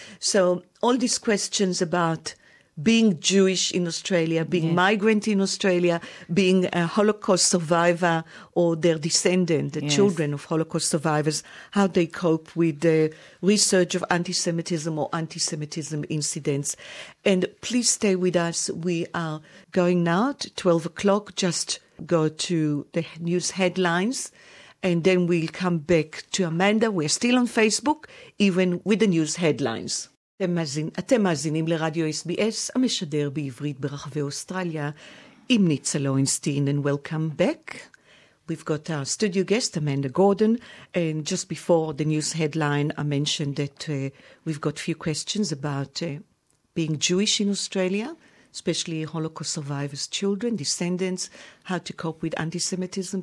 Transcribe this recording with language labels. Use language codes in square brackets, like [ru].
[en] So all these questions about being Jewish in Australia, being migrant in Australia, being a Holocaust survivor or their descendant, the children of Holocaust survivors, how they cope with the resurgence of anti-Semitism or anti-Semitism incidents. And please stay with us. We are going now at 12 o'clock. Just go to the news headlines and then we'll come back to Amanda. We're still on Facebook, even with the news headlines. [he] אתם מאזינים לרדיו SBS, המשדר בעברית ברחבי אוסטרליה, עם ניצה לוינסטיין, [en] and welcome back. We've got our studio guest, Amanda Gordon, and just before the news headline, I mentioned that we've got a few questions about being Jewish in Australia, especially Holocaust survivors' children, descendants, how to cope with anti-Semitism.